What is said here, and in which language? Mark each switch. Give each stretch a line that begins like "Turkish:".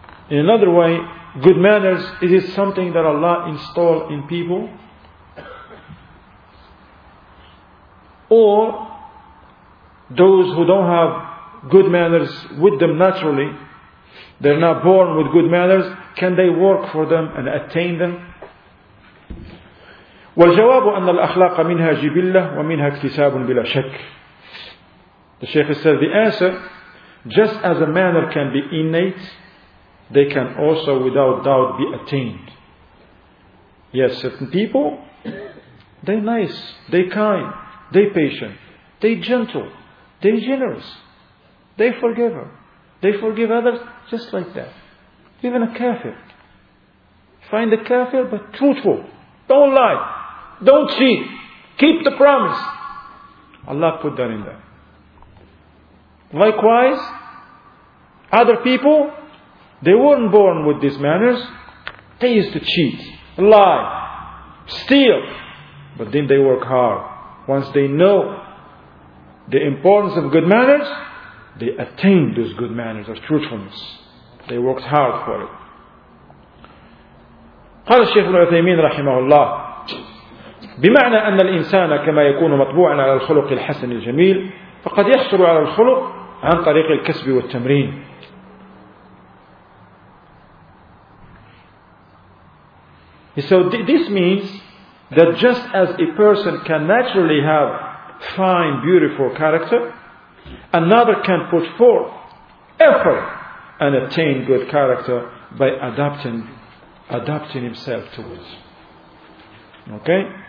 English: In another way, good manners, is it something that Allah installed in people? Or those who don't have good manners with them naturally, they're not born with good manners, can they work for them and attain them?
Arabic: والجواب أن الأخلاق منها جبلة ومنها اكتساب بلا شك.
English: The Shaykh said the answer, just as a manner can be innate, they can also without doubt be attained. Yes, certain people, they're nice, they're kind, they're patient, they're gentle, they're generous, they're forgiver, they forgive others, just like that. Even a kafir. Find a kafir, but truthful. Don't lie. Don't cheat. Keep the promise. Allah put that in there. Likewise, other people, they weren't born with these manners. They used to cheat, lie, steal. But then they work hard. Once they know the importance of good manners, they attained those good manners of truthfulness. They worked hard for it.
Arabic: قال الشيخ ابن عثيمين رحمه الله بمعنى أن الإنسان كما يكون مطبوعا على الخلق الحسن الجميل فقد يحصل على الخلق عن طريق الكسب والتمرين.
English: So this means that just as a person can naturally have fine, beautiful character, another can put forth effort and attain good character by adapting himself to it. Okay?